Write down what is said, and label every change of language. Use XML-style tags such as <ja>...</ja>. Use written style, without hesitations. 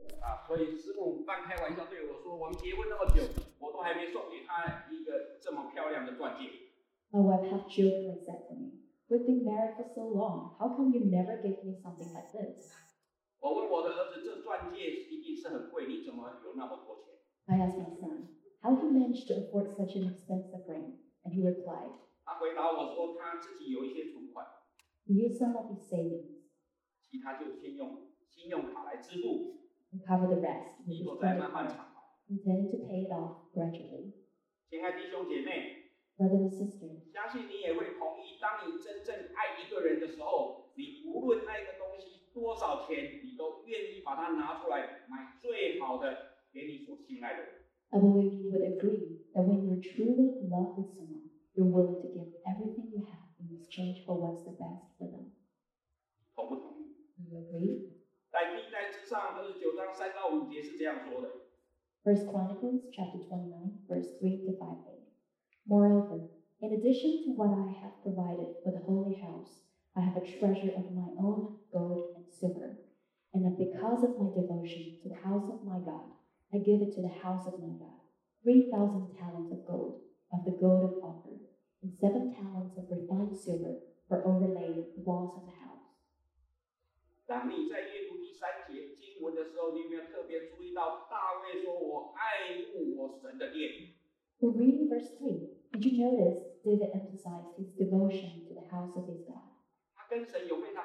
<zh>啊，所以师父半开玩笑对我说，我们结婚那么久，我都还没送给他一个这么漂亮的钻戒。</zh> <en>My wife half jokingly said to me, "We've been married for so long. How come you never give me something like this?"</en> <zh>我问我的儿子，这钻戒一定是很贵，你怎么有那么多钱？</zh> <en>I asked my son, "How do you manage to afford such an expensive ring?" And he replied,</en> <zh>他回答我说他自己有一些存款。</zh> <en>He used some of his savings.</en> <zh>其他就先用信用卡来支付。</zh> <en>He covered the rest.</en> <zh>以后再慢慢偿还。</zh> <en>He intended to pay it off gradually.</en> <zh>亲爱弟兄姐妹。</zh> <en>Brother and sister,</en> <zh>相信你也会同意，当你真正爱一个人的时候，你无论那个东西多少钱，你都愿意把它拿出来买最好的给你所亲爱的人。</zh> <en>I believe you would agree that when you're truly in love with someone, you're willing to give everything you have in exchange for what's the best for them.</en> <zh>同不同意？</zh> <en>You agree?</en> <zh>在历代志上二十九章三到五节是这样说的。</zh> <en>First Chronicles chapter 29, verse 3-5. Moreover, in addition to what I have provided for the holy house, I have a treasure of my own, gold and silver. And that because of my devotion to the house of my God, I give it to the house of my God 3,000 talents of gold, of the gold of Ophir, and 7 talents of refined silver for overlaying the walls of the house.</en> <zh>当你在阅读第三节经文的时候，你有没有特别注意到大卫说我爱慕我神的殿？</zh> <en>When reading verse 3, did you notice David emphasized his devotion to the house of his God?</en>